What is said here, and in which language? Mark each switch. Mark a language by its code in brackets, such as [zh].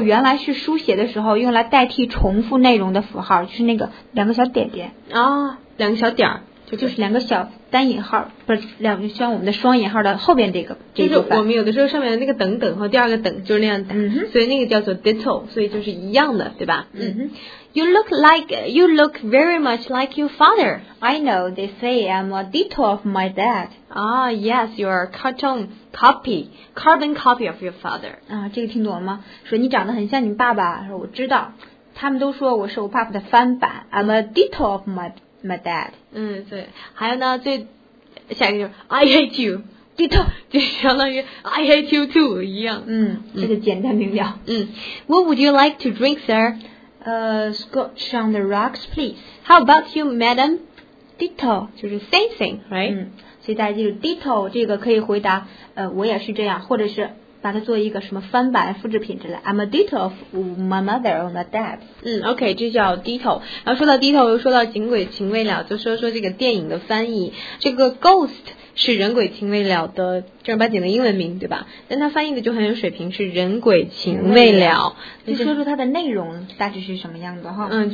[zh] 原来是书写的时候用来代替重复内容的符号，就是那个两个小点点。两个小点儿。就是两个小单引号，不是两个像我们的双引号的后边这个，就是我们有的时候上面的那个等等和第二个等就是那样打，所以那个叫做 ditto， 所以就是一样的，对吧？ [en] You look like you look very much like your father. I know they say I'm a ditto of my dad. Yes, you are carbon copy of your father. [zh] 这个听懂了吗？说你长得很像你爸爸，说我知道，他们都说我是我爸爸的翻版。 [en] I'm a ditto of my dad. [zh] 对，还有呢，最下一个就是 I hate you， [en] ditto， [zh] 就相当于 I hate you too 一样。这个简单明了。 [en] What would you like to drink, sir? Scotch on the rocks, please. How about you, madam? Ditto，就是 same thing, right? [zh] 所以大家记住 ditto 这个可以回答，我也是这样，或者是把它做一个什么翻版复制品之类。 [en] I'm a ditto of my mother and my dad. [zh] OK， 这叫 ditto。然后说到 ditto 又说到警鬼情未了，就说这个电影的翻译，这个 ghost 是人鬼情未了的正儿八经的英文名，对吧？但它翻译的就很有水平，是人鬼情未了。就说说它的内容大致是什么样的哈。